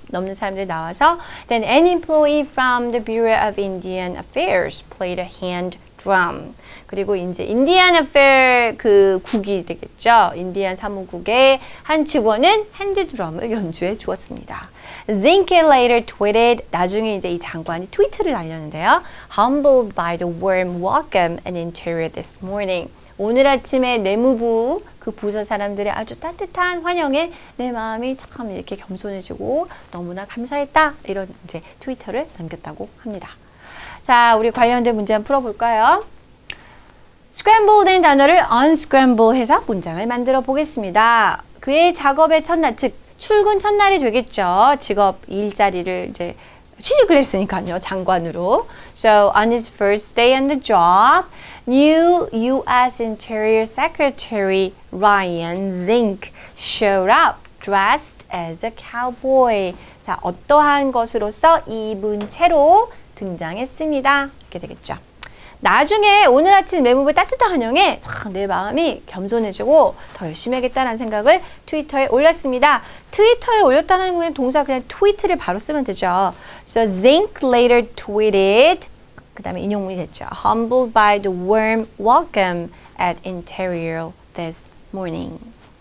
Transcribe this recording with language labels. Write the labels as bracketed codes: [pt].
[ko] 넘는 사람들이 나와서 [en] then an employee from the Bureau of Indian Affairs played a hand drum. [ko] 그리고 이제 인디안 어페어 그 국이 되겠죠. 인디안 사무국의 한 직원은 핸드드럼을 연주해 주었습니다. [en] Zinke later tweeted, [ko] 나중에 이제 이 장관이 트위트를 날렸는데요. [en] Humbled by the warm welcome and interior this morning. [ko] 오늘 아침에 내무부 그 부서 사람들의 아주 따뜻한 환영에 내 마음이 참 이렇게 겸손해지고 너무나 감사했다. 이런 이제 트위터를 남겼다고 합니다. 자, 우리 관련된 문제 한번 풀어볼까요? Scramble된 단어를 unscramble해서 문장을 만들어 보겠습니다. 그의 작업의 첫날, 즉 출근 첫날이 되겠죠. 직업 일자리를 이제 취직을 했으니까요, 장관으로. [en] So on his first day on the job, new U.S. Interior Secretary Ryan Zinke showed up dressed as a cowboy. [ko] 자, 어떠한 것으로서 입은 채로 등장했습니다. 이렇게 되겠죠. 나중에 오늘 아침 내무부의 따뜻한 환영에 내 마음이 겸손해지고 더 열심히 하겠다는 생각을 트위터에 올렸습니다. 트위터에 올렸다는 건 동사 그냥 트위트를 바로 쓰면 되죠. [en] So Zinke later tweeted, [ko] 그 다음에 인용문이 됐죠. [en] Humbled by the warm welcome at Interior this morning.